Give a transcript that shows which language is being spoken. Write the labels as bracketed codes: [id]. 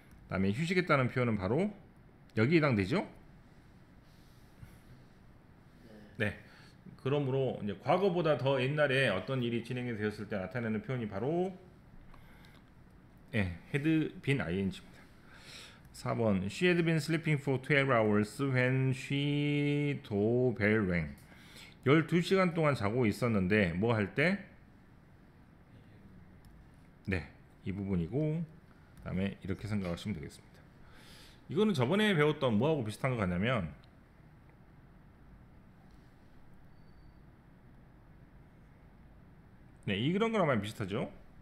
[ko] 다음에 휴식했다는 표현은 바로 여기에 해당되죠? 네. 그러므로 이제 과거보다 더 옛날에 어떤 일이 진행이 되었을 때 나타내는 표현이 바로 예, had been ing입니다. [en] 4번 She had been sleeping for 12 hours when she doorbell rang. [ko] 12시간 동안 자고 있었는데 뭐 할 때? 네. 이 부분이고 그 다음에 이렇게 생각하시면 되겠습니다. 이거는 저번에 배웠던 뭐하고 비슷한 것 같냐면 네, 이런 거랑 많이 비슷하죠.